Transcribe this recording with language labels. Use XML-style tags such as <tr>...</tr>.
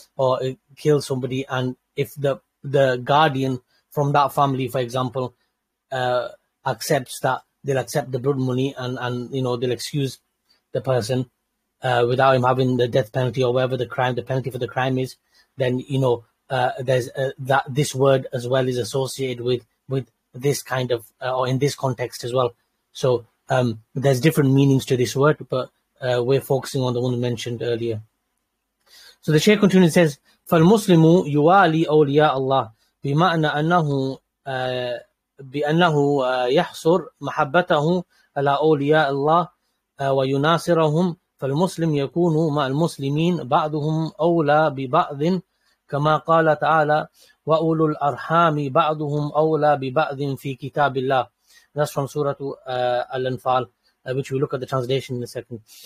<en>Or it kills somebody. And if the guardian from that family, for example, accepts that, they'll accept the blood money and you know, they'll excuse the person without him having the death penalty or whatever the crime, the penalty for the crime is, then, you know, there's that this word as well is associated with this kind of, or in this context as well. So there's different meanings to this word, but we're focusing on the one mentioned earlier. So the Shaykh continues, says,</en> <ar>فَالْمُسْلِمُ يُوَالِي أَوْلِيَا اللَّهِ بِمَعْنَ أَنَّهُ بأنه يحصر محبته على أولياء الله ويناصرهم فالمسلم يكون مع المسلمين بعضهم أولى ببعض كما قال تعالى وأولو الأرحام بعضهم أولى ببعض في كتاب الله.</ar> <en>That's from Surah Al-Anfal, which we look at the translation in a second.</en>